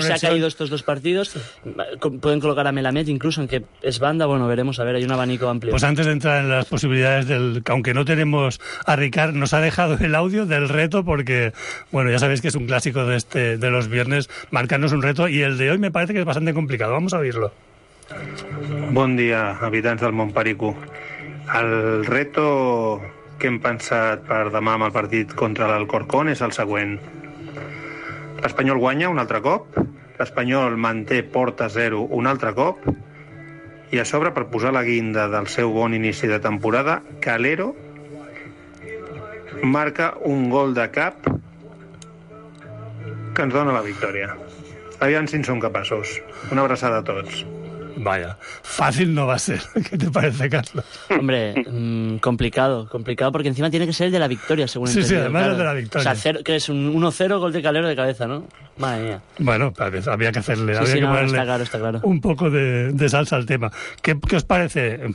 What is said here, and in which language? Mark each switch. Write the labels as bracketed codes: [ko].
[es] se ha caído estos dos partidos, pueden colocar a Melamed incluso, aunque es banda, bueno, veremos, a ver, hay un abanico amplio. Pues antes de entrar en las posibilidades del, aunque no tenemos a Ricard, nos ha dejado el audio del reto, porque bueno, ya sabéis que es un clásico de este, de los viernes, marcarnos un reto, y el de hoy me parece que es bastante complicado, vamos a oírlo. Buen día, habitantes del Montparicu. [ca] El reto que hem pensat per demà amb el partit contra l'Alcorcón és el següent. L'Espanyol guanya un altre cop, l'Espanyol manté porta zero un altre cop i a sobre, per posar la guinda del seu bon inici de temporada, Calero marca un gol de cap que ens dona la victòria. Aviam si en som capaços. Una abraçada a tots. [es] Vaya, fácil no va a ser. ¿Qué te parece, Carlos? Hombre, complicado, porque encima tiene que ser el de la victoria, según entiendo. Sí, además claro. El de la victoria. O sea, cero, que es un 1-0 gol de Calero de cabeza, ¿no? Madre mía. Bueno, había que hacerle, sí, había sí, que no, ponerle está claro. Un poco de salsa al tema. ¿Qué os parece?